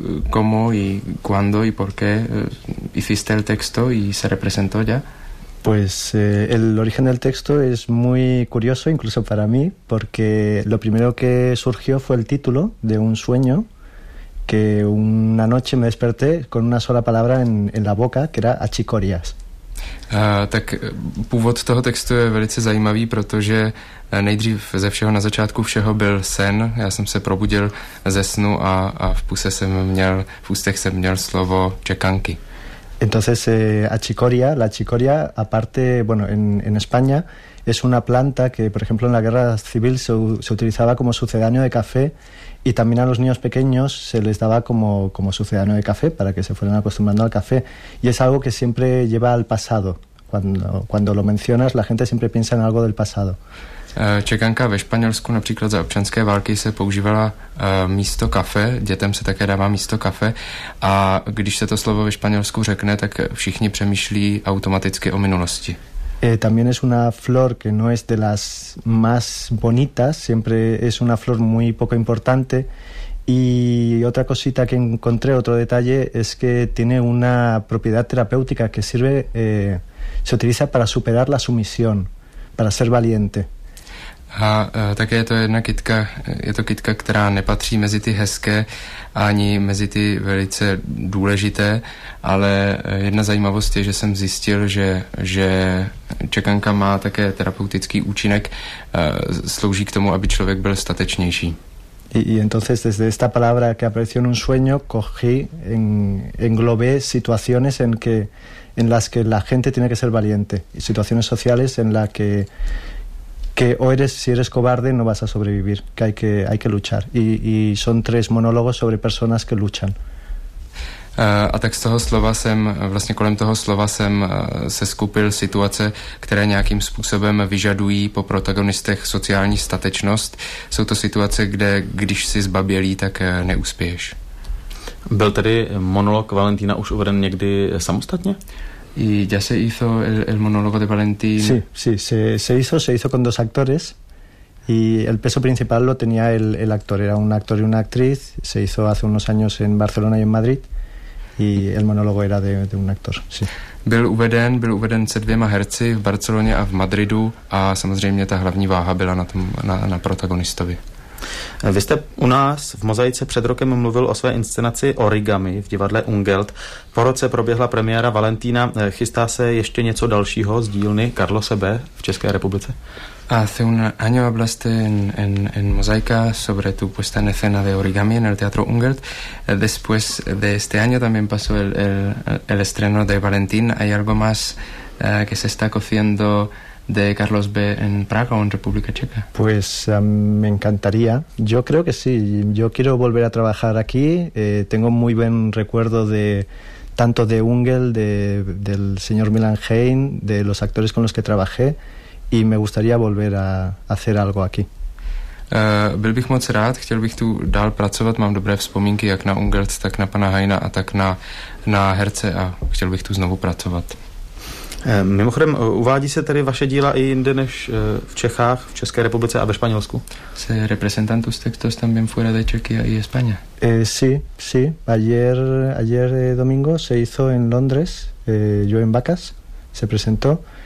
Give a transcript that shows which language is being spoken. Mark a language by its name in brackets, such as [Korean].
[Spanish] ¿Cómo y cuándo y por qué hiciste el texto y se representó ya? Pues el origen del texto es muy curioso, incluso para mí, porque lo primero que surgió fue el título de un sueño que una noche me desperté con una sola palabra en la boca, que era Achicorias. [Czech] Tak původ toho textu je velice zajímavý, protože nejdřív ze všeho na začátku všeho byl sen. Já jsem se probudil ze snu a v ústech jsem měl slovo čekanky. [Spanish] Entonces la achicoria aparte, bueno, en España es una planta que por ejemplo en la guerra civil se utilizaba como sucedáneo de café y también a los niños pequeños se les daba como sucedáneo de café para que se fueran acostumbrando al café y es algo que siempre lleva al pasado. Cuando lo mencionas la gente siempre piensa en algo del pasado. [Czech] Čekanka ve Španělsku například za občanské války se používala místo kafe, dětem se také dává místo kafe a když se to slovo ve Španělsku řekne, tak všichni přemýšlí automaticky o minulosti. [Spanish] También es una flor que no es de las más bonitas, siempre es una flor muy poco importante y otra cosita que encontré, otro detalle, es que tiene una propiedad terapéutica que sirve, se utiliza para superar la sumisión, para ser valiente. [Czech] A také je to jedna kytka, je to kytka, která nepatří mezi ty hezké ani mezi ty velice důležité, ale jedna zajímavost je, že jsem zjistil, že čekanka má také terapeutický účinek, slouží k tomu, aby člověk byl statečnější. [Spanish] Y entonces desde esta palabra que apareció en un sueño cogí englobé situaciones en las que la gente tiene que ser valiente, situaciones sociales en las que o eres, si eres cobarde no vas a sobrevivir, que hay que luchar y son tres monólogos sobre personas que luchan. [Czech] A tak z toho slova jsem, vlastně kolem toho slova jsem se skupil situace, které nějakým způsobem vyžadují po protagonistech sociální statečnost. Jsou to situace, kde když jsi zbabělý, tak neuspěješ. Byl tedy monolog Valentína už uveden někdy samostatně? [Spanish] Y ya se hizo el monólogo de Valentín. Sí, sí, se hizo con dos actores y el peso principal lo tenía el actor, era un actor y una actriz, se hizo hace unos años en Barcelona y en Madrid. I el monologo era de un actor, sí. [Czech] Byl uveden se dvěma herci v Barceloně a v Madridu a samozřejmě ta hlavní váha byla na tom, na protagonistovi. Vy jste u nás v Mozaice před rokem mluvil o své inscenaci Origami v divadle Ungeld. Po roce proběhla premiéra Valentína. Chystá se ještě něco dalšího z dílny Karlo Sebe v České republice? [Spanish] Hace un año hablaste en Mosaica sobre tu puesta en escena de Origami en el Teatro Ungeld. Después de este año también pasó el estreno de Valentín. ¿Hay algo más que se está cociendo de Carlos B. en Praga o en República Checa? Pues me encantaría. Yo creo que sí. Yo quiero volver a trabajar aquí. Tengo muy buen recuerdo de tanto de Ungeld, del señor Milan Hein, de los actores con los que trabajé. Y me gustaría volver a hacer algo aquí. [Czech] Byl bych moc rád, chtěl bych tu dál pracovat, mám dobré vzpomínky jak na Ungeld, tak na pana Heina a tak na herce a chtěl bych tu znovu pracovat. Mimochodem, uvádí se tady vaše díla i jinde než v Čechách, v České republice a ve Španělsku? [Spanish] Se representantus textos también fuera de Chequia y España. Sí. Ayer domingo se hizo en Londres, yo en Vacas, se presentó.